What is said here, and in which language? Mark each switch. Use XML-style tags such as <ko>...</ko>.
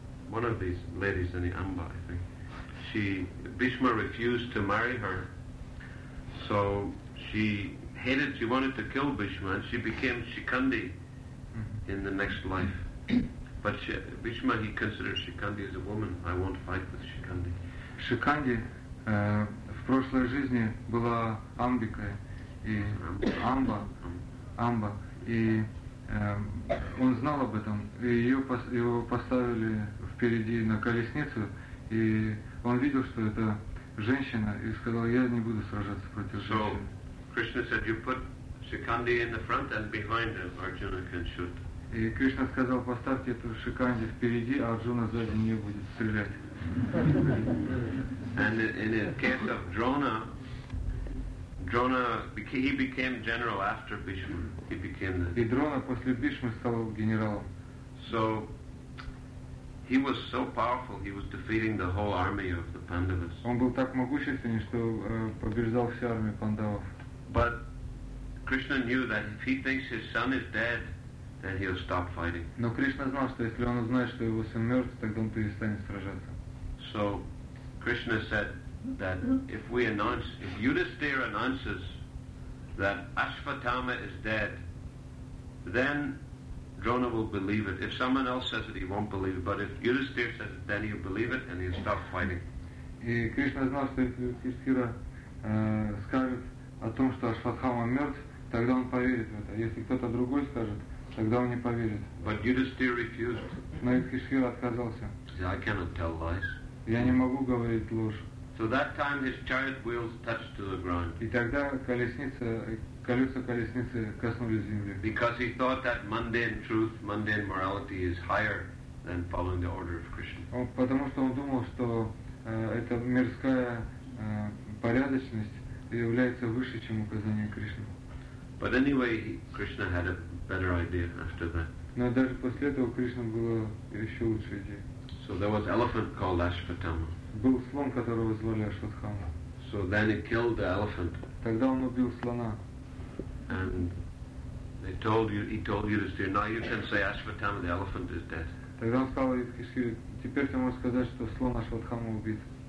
<en>One of these ladies in the Amba, I think. Bhishma refused to marry her, so she hated, she wanted to kill Bhishma, and she became Shikhandi in the next life. But Bhishma, he considered Shikhandi as a woman. I won't fight with Shikhandi.</en> <ru>Shikhandi в прошлой жизни была Амбикой, и Амба, и он знал об этом, и его поставили впереди на колесницу, и он видел, что это женщина, и сказал, я не буду сражаться против женщины.</ru> <en>So, Krishna said, you put Shikhandi in the front and behind him, Arjuna can shoot.</en> <ru>И Кришна сказал, поставьте эту Шиканди впереди, а Арджуна сзади не будет стрелять.</ru> <en>And in the case of Drona, he became general after Bhishma. He became the...</en> <ru>И Дрона после Бишмы стал генералом.</ru> <en>So he was so powerful, he was defeating the whole army of the Pandavas.</en> <ru>Он был так могущественен, что побеждал всю армию Пандавов.</ru> <en>But Krishna knew that if he thinks his son is dead, then he'll stop fighting.</en> <ru>Но Кришна знал, что если он узнает, что его сын мертв, тогда он перестанет сражаться.</ru> <en>So Krishna said that if Yudhisthira announces that Ashwatthama is dead, then Drona will believe it. If someone else says it, he won't believe it. But if Yudhisthira says it, then he'll believe it and he'll stop fighting.</en> <ru>И Кришна знал, что если Юдхиштхира скажет о том, что Ашватхама мертв, тогда он поверит в это. Если кто-то другой скажет, тогда он не поверит.</ru> <en>But Yudhisthira refused.</en> <ru>Но Юдхиштхира отказался.</ru> <en>See, I cannot tell lies.</en> <ru>Я не могу говорить ложь.</ru> <en>So that time his chariot wheels touched to the ground.</en> <ru>И тогда колеса колесницы коснулись земли.</ru> <en>Because he thought that mundane truth, mundane morality is higher than following the order of Krishna.</en> <ru>Потому что он думал, что эта мирская порядочность является выше, чем указание Кришны.</ru> <en>But anyway, Krishna had a better idea after that.</en> <ru>Но даже после этого Кришна была еще лучше идея.</ru> <en>So there was an elephant called Ashwatthama.</en> <ru>Был слон, которого звали Ашватхама.</ru> <en>So then he killed the elephant.</en> <ru>Тогда он убил слона.</ru> <en>And they told you, he told you to steer. Now you can say Ashwatthama, the elephant is dead.</en> <ru>Тогда он сказал Юдхиштхире, теперь ты можешь сказать, что слон Ашватхама убит.</ru>